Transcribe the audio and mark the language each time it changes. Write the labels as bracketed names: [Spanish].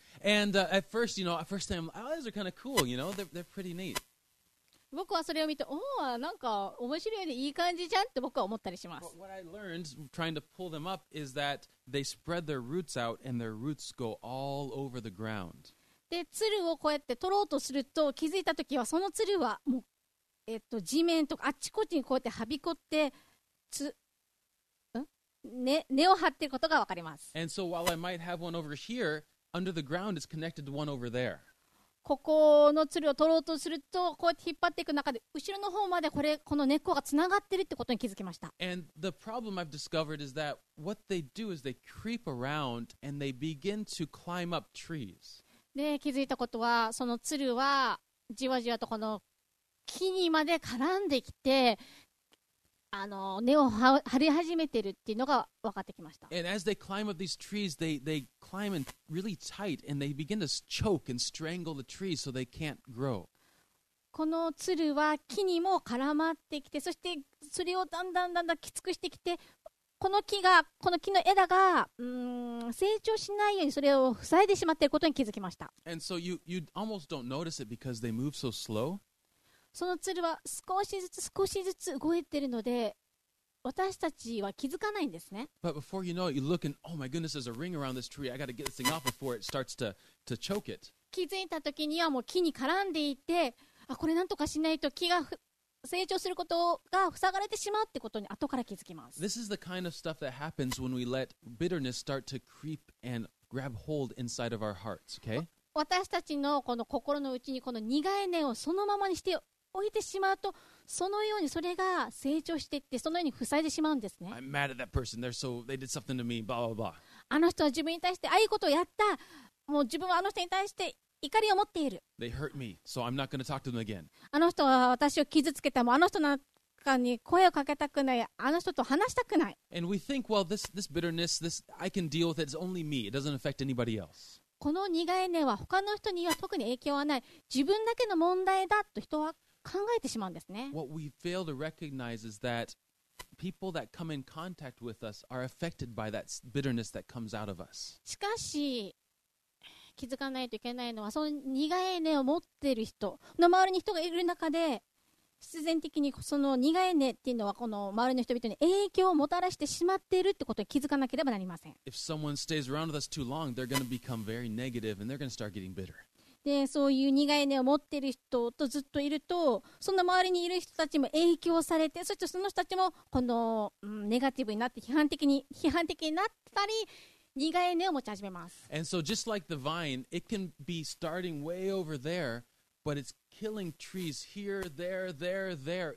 [English] And at first, you know, at first time, oh, those are kind of cool, you know, they're pretty neat. [Japanese] 僕はそれを見て、おお、なんか面白いね、いい感じじゃんって僕は思ったりします。 [English] What I learned trying to pull them up is that they spread their roots out and their roots go all over the ground. [Japanese] で、つるをこうやって取ろうとすると、気づいたときはそのつるはもう、地面とかあっちこっちにこうやってはびこって、つ、ね、根を張っていることがわかります。 [English] And so while I might have one over here, under the ground it's connected to one over there. [Japanese] ここのつるを取ろうとすると、こうやって引っ張っていく中で、後ろの方までこれ、この根っこがつながってるってことに気づきました。 [English] And the problem I've discovered is that what they do is they creep around and they begin to climb up trees. [Japanese] で、気づいたことは、そのつるはじわじわとこの木にまで絡んできて、あの根を張り始めているっていうのが分かってきました。 [English] And as they climb up these trees, they climb in really tight and they begin to choke and strangle the trees so they can't grow. [Japanese] このつるは木にも絡まってきて、そしてそれをだんだんだんだんきつくしてきて、この木が、この木の枝が、成長しないようにそれを塞いでしまっていることに気づきました。 [English] And so you almost don't notice it because they move so slow. [Japanese] そのツルは少しずつ少しずつ動いているので、私たちは気づかないんですね。 [English] But before you know it, you look and, oh my goodness, there's a ring around this tree. I got to get this thing off before it starts to choke it. [Japanese] 気づいた時にはもう木に絡んでいて、あ、これなんとかしないと木が成長することが塞がれてしまうってことに後から気づきます。 [English] This is the kind of stuff that happens when we let bitterness start to creep and grab hold inside of our hearts, okay? [Japanese] 私たちのこの心の内にこの苦い根をそのままにして置いてしまうと、そのようにそれが成長していって、そのように塞いでしまうんですね。 [English] I'm mad at that person. They're so, they did something to me. Blah, blah, blah. [Japanese] あの人は自分に対して、ああいうことをやった。もう自分はあの人に対して怒りを持っている。 [English] They hurt me, so I'm not going to talk to them again. [Japanese] あの人は私を傷つけた。もうあの人なんかに声をかけたくない。あの人と話したくない。 [English] And we think, well, this bitterness, this, I can deal with it. It's only me. It doesn't affect anybody else. [Japanese] この苦い根は他の人には特に影響はない。自分だけの問題だと人は考えてしまうんですね。 [English] What we fail to recognize is that people that come in contact with us are affected by that bitterness that comes out of us. [Japanese] しかし、気づかないといけないのは、その苦い根を持っている人の周りに人がいる中で、必然的にその苦い根っていうのはこの周りの人々に影響をもたらしてしまっているってことを気づかなければなりません。 [English] If someone stays around with us too long, they're going to become very negative and they're going to start getting bitter. [Japanese] で、そういう苦い根を持っている人とずっといると、その周りにいる人たちも影響されて、そしてその人たちもこの、ネガティブになって批判的になったり、苦い根を持ち始めます。 [English] And so just like the vine, it can be starting way over there. But it's killing trees here, there, there, there.